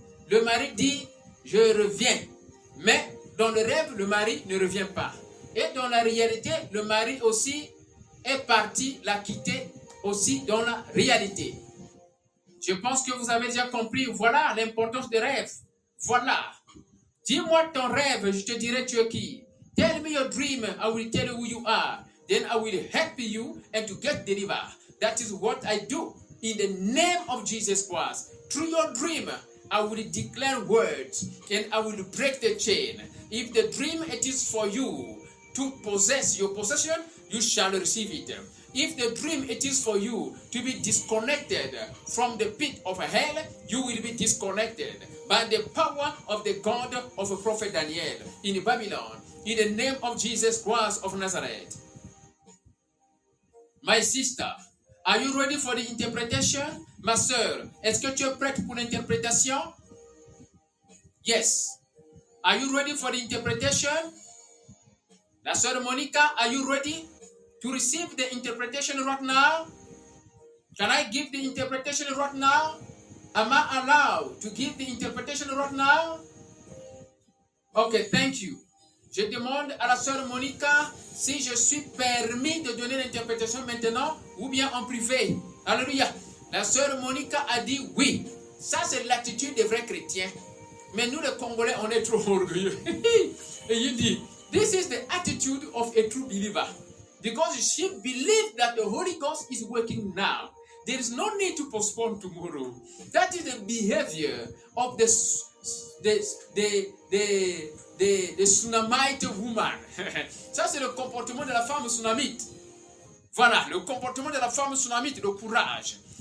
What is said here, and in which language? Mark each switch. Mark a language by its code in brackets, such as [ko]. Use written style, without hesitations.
[fr] Le mari dit, je reviens. Mais dans le rêve, le mari ne revient pas. Et dans la réalité, le mari aussi est parti, l'a quitté aussi dans la réalité. Je pense que vous avez déjà compris. Voilà l'importance des rêves. Voilà. Dis-moi ton rêve, je te dirai tu es qui. [en] Tell me your dream, I will tell you who you are. Then I will help you and to get delivered. That is what I do in the name of Jesus Christ. Through your dream, I will declare words and I will break the chain. If the dream it is for you to possess your possession, you shall receive it. If the dream it is for you to be disconnected from the pit of hell, you will be disconnected by the power of the God of Prophet Daniel in Babylon. In the name of Jesus Christ of Nazareth. My sister, are you ready for the interpretation? [fr] Ma soeur, est-ce que tu es prête pour l'interprétation? [en] Yes. Are you ready for the interpretation? La soeur Monica, are you ready to receive the interpretation right now? Can I give the interpretation right now? Am I allowed to give the interpretation right now? Okay, thank you. [fr] Je demande à la sœur Monica si je suis permis de donner l'interprétation maintenant ou bien en privé. Alléluia. La sœur Monica a dit oui. Ça, c'est l'attitude des vrais chrétiens. Mais nous, les Congolais, on est trop orgueilleux. Et il dit, [en] this is the attitude of a true believer. Because she believes that the Holy Ghost is working now. There is no need to postpone tomorrow. That is the behavior of the tsunamite woman. [fr] Ça, c'est le comportement de la femme tsunamite. Voilà, le comportement de la femme tsunamite, le courage.